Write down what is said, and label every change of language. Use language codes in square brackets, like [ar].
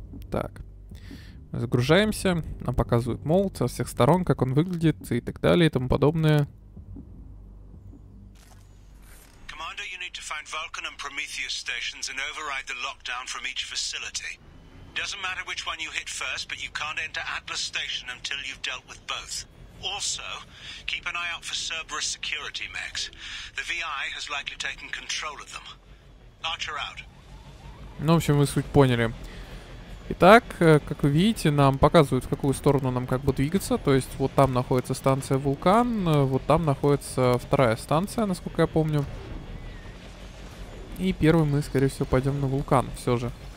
[ru] Так. Загружаемся, нам показывают молот со всех сторон, как он выглядит и так далее и тому подобное. [en] Commander, you need to find Vulcan and Prometheus stations and override the lockdown from each facility. Doesn't matter which one you hit first, but you can't enter Atlas station until you've dealt with both. Also, keep an eye out for Cerberus security mechs. The VI has likely taken control of them. Archer out. [ru] Ну, в общем, вы суть поняли. Итак, как вы видите, нам показывают, в какую сторону нам как бы двигаться. То есть вот там находится станция Вулкан, вот там находится вторая станция, насколько я помню. И первым мы, скорее всего, пойдем на Вулкан все же.